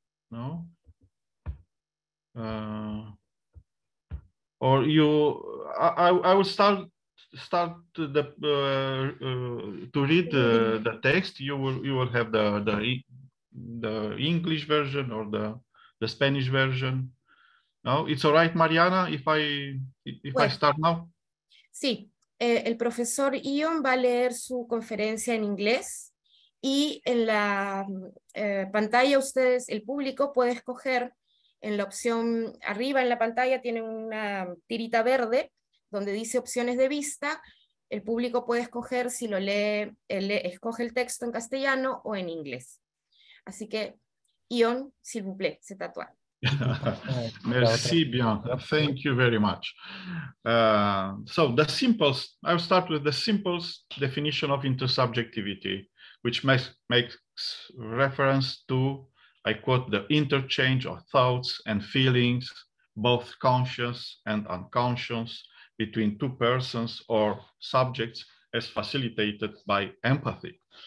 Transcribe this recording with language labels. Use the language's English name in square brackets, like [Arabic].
[English] No, or you? I will start to read the text. You will have the English version or the Spanish version. No, it's all right, Mariana. If I start now. [Spanish] Sí, el profesor Ion va a leer su conferencia en inglés y en la pantalla ustedes, el público, puede escoger en la opción arriba en la pantalla, tiene una tirita verde donde dice opciones de vista. El público puede escoger si lo lee, escoge el texto en castellano o en inglés. Así que, [French] Ion, s'il vous plaît, c'est à toi. Merci bien. [English] Thank you very much. So the simplest, I'll start with the simplest definition of intersubjectivity, which makes reference to, I quote, the interchange of thoughts and feelings, both conscious and unconscious, between two persons or subjects as facilitated by empathy.